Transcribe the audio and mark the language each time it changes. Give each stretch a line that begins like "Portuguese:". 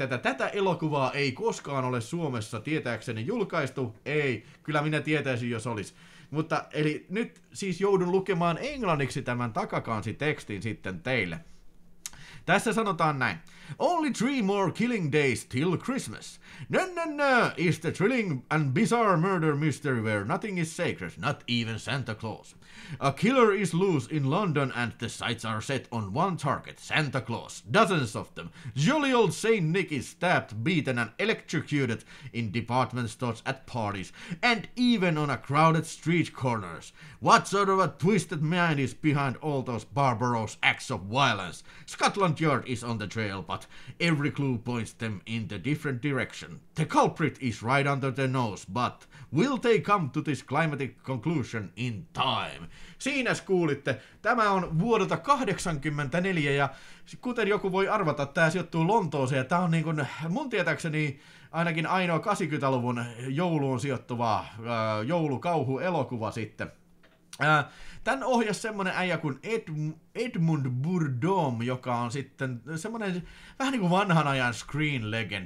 Finnish: Että tätä elokuvaa ei koskaan ole Suomessa tietääkseni julkaistu, ei, kyllä minä tietäisin jos olisi. Mutta eli nyt siis joudun lukemaan englanniksi tämän takakansi tekstin sitten teille. Tässä sanotaan näin.
English: Only three more killing days till Christmas. No, is the thrilling and bizarre murder mystery where nothing is sacred, not even Santa Claus. A killer is loose in London and the sights are set on one target, Santa Claus. Dozens of them. Jolly old Saint Nick is stabbed, beaten and electrocuted in department stores, at parties, and even on a crowded street corners. What sort of a twisted mind is behind all those barbarous acts of violence? Scotland Yard is on the trail, but every clue points them in the different direction. The culprit is right under their nose, but will they come to this climatic conclusion in time?
Finnish: Siinä kuulitte, tämä on vuodelta 1984, ja kuten joku voi arvata, tämä sijoittuu Lontooseen, ja tämä on niin kuin, mun tietääkseni, ainakin ainoa 80-luvun jouluun sijoittuva joulukauhuelokuva sitten. Tän ohjasi semmonen äijä kuin Edmund Burdome, joka on sitten semmonen vähän niinku vanhan ajan screen legend.